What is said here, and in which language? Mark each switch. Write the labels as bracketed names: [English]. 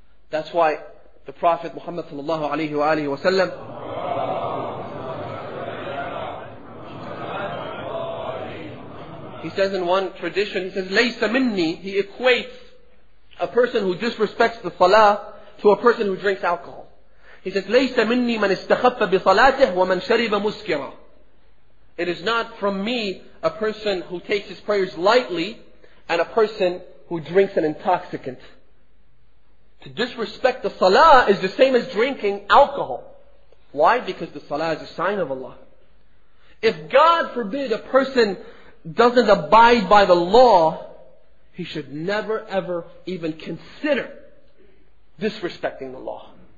[English] That's why the Prophet Muhammad sallallahu alayhi wa alihi wa sallam, he says in one tradition, he says, [Arabic] لَيْسَ مِنِّي, [English] he equates a person who disrespects the salah to a person who drinks alcohol. [Arabic] He says, لَيْسَ مِنِّي مَنْ اسْتَخَفَّ بِصَلَاتِهِ وَمَنْ شَرِبَ مُسْكِرًا. [English] It is not from me a person who takes his prayers lightly and a person who drinks an intoxicant. To disrespect the salah is the same as drinking alcohol. Why? Because the salah is a sign of Allah. If God forbid a person doesn't abide by the law, he should never ever even consider disrespecting the law.